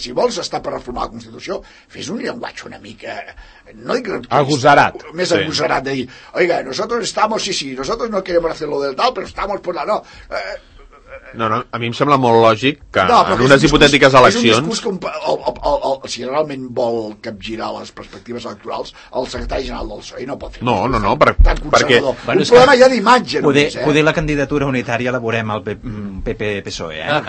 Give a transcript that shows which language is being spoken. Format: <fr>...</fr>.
<ca>Si vols estar per reformar la Constitució, fes un llenguatge una mica... No dic... Agosarat. Més agosarat, sí. De dir,</ca> <es>oiga, nosotros estamos, sí, nosotros no queremos hacer lo del tal, pero estamos por la...</es> <ca>No, No, a mi em sembla molt lògic que en unes hipotètiques eleccions... És un discurs que si realment vol capgirar les perspectives electorals, el secretari general del PSOE no pot fer. No, perquè... Un problema ja d'imatge, només, eh? Poder la candidatura unitària la veurem al PP-PSOE, eh?</ca>